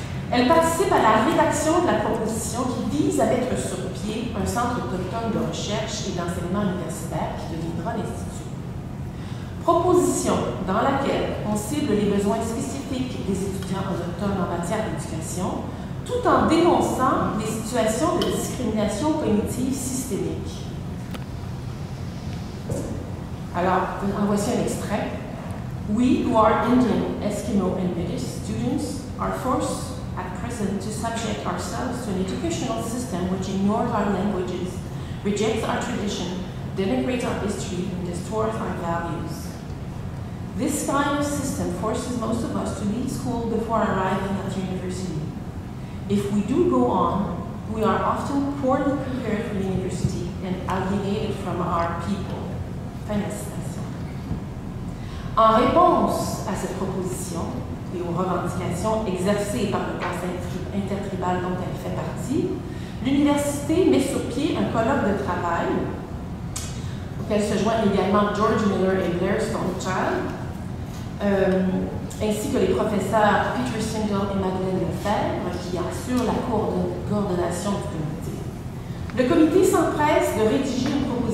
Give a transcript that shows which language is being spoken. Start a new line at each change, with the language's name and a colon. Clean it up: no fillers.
French: Elle participe à la rédaction de la proposition qui vise à mettre sur pied un centre autochtone de recherche et d'enseignement universitaire qui deviendra l'Institut. Proposition dans laquelle on cible les besoins spécifiques des étudiants autochtones en matière d'éducation, tout en dénonçant les situations de discrimination cognitive systémique. Alors, en voici un extrait.
English: We who are Indian, Eskimo, and British students are forced at present to subject ourselves to an educational system which ignores our languages, rejects our tradition, denigrates our history, and distorts our values. This kind of system forces most of us to leave school before arriving at university. If we do go on, we are often poorly prepared for the university and alienated from our people.
French: Fin de citation. En réponse à cette proposition et aux revendications exercées par le conseil intertribal dont elle fait partie, l'université met sur pied un colloque de travail auquel se joignent également George Miller et Blair Stonechild, ainsi que les professeurs Peter Singer et Madeleine Lefebvre, qui assurent la coordination du comité. Le comité s'empresse de rédiger une proposition